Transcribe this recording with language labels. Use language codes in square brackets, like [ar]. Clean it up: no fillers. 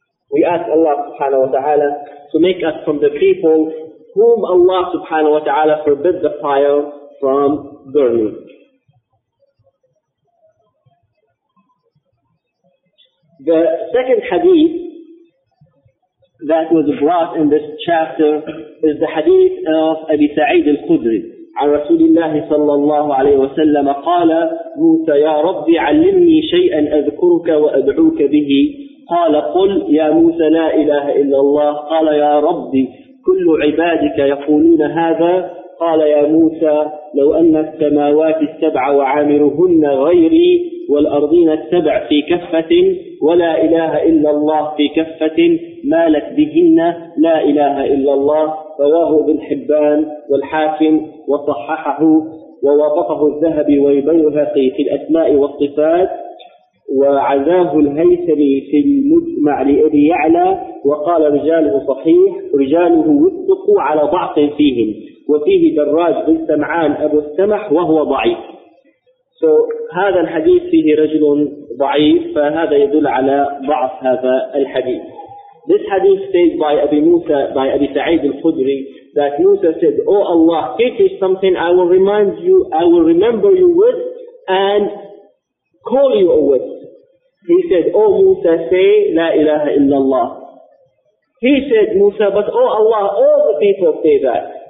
[en] We ask Allah subhanahu wa ta'ala to make us from the people whom Allah subhanahu wa ta'ala forbid the fire from burning. The second hadith that was brought in this chapter is the hadith of Abi Sa'id al-Khudri. [ar] عن رسول الله صلى الله عليه وسلم قال موسى يا ربي علمني شيئا أذكرك وأدعوك به قال قل يا موسى لا إله إلا الله قال يا ربي كل عبادك يقولون هذا قال يا موسى لو أن السماوات السبع وعامرهن غيري والأرضين السبع في كفة ولا إله إلا الله في كفة مالت بهن لا إله إلا الله رواه ابن حبان والحاكم وصححه ووافقه الذهبي والبيهقي في الأسماء والصفات وعزاه الهيثمي في المجمع لأبي يعلى وقال رجاله صحيح رجاله وثقوا على ضعف فيهم وفيه دراج بن سمعان أبو السمح وهو ضعيف. So, هذا الحديث فيه رجل ضعيف فهذا يدل على ضعف هذا الحديث. [en] This hadith said by Abi Musa, by Abi Sa'id al-Khudri, that Musa said, "O Allah, teach me something, I will remind you, I will remember you with, and call you with." He said, "O Musa, say, La ilaha illallah." He said, "Musa, but O Allah, all the people say that."